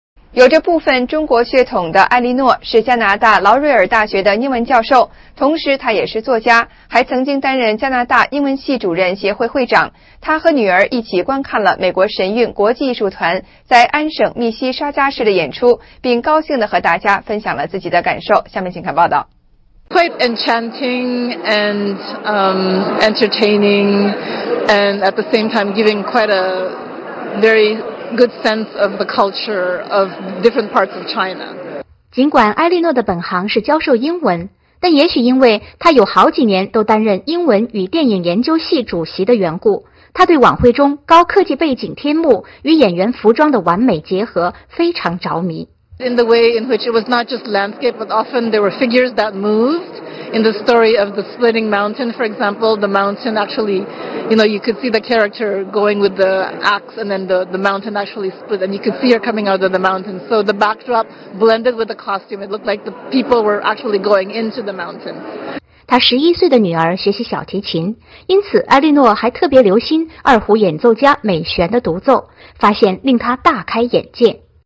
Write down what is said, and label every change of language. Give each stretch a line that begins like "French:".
Chinese: 有着部分中国血统的艾莉诺是加拿大劳瑞尔大学的英文教授，同时他也是作家，还曾经担任加拿大英文系主任协会会长。他和女儿一起观看了美国神韵国际艺术团在安省密西沙加市的演出，并高兴地和大家分享了自己的感受。下面请看报道。
English: Quite enchanting and entertaining, and at the same time giving quite a very good sense of the culture of different parts of China.
Chinese: 尽管艾莉诺的本行是教授英文，但也许因为她有好几年都担任英文与电影研究系主席的缘故，她对晚会中高科技背景天幕与演员服装的完美结合非常着迷。
English: In the way in which it was not just landscape, but often there were figures that moved, in the story of the splitting mountain, for example, the mountain actually, you know, you could see the character going with the axe and then the mountain actually split and you could see her coming out of the mountain. So the backdrop blended with the costume. It looked like the people were actually going into the mountain.
Chinese: 她11岁的女儿学习小提琴，因此艾莉诺还特别留心二胡演奏家美璇的独奏，发现令她大开眼界。